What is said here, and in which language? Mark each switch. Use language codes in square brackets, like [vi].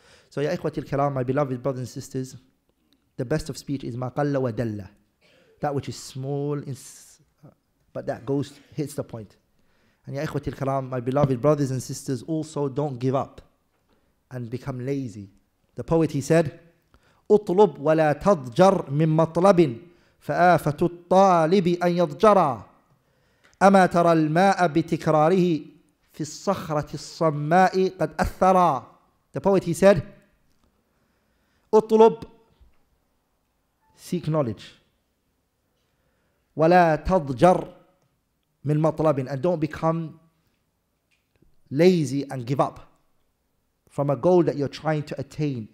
[en] So [ar] ya ikhwati al-kalam, [en] my beloved brothers and sisters, the best of speech is [ar] ma qalla wa dalla. [en] That which is small, but that goes, hits the point. And [ar] ya ikhwati al-kalam, [en] my beloved brothers and sisters, also don't give up and become lazy. The poet, he said, [ar] اطلب ولا تضجر من مطلب فآفة الطالب أن يضجر أما ترى الماء بتكراره في الصخرة الصماء قد أثر. [en] The poet, he said, [ar] اطلب, [en] seek knowledge, [ar] ولا تضجر من مطلب, [en] and don't become lazy and give up from a goal that you're trying to attain.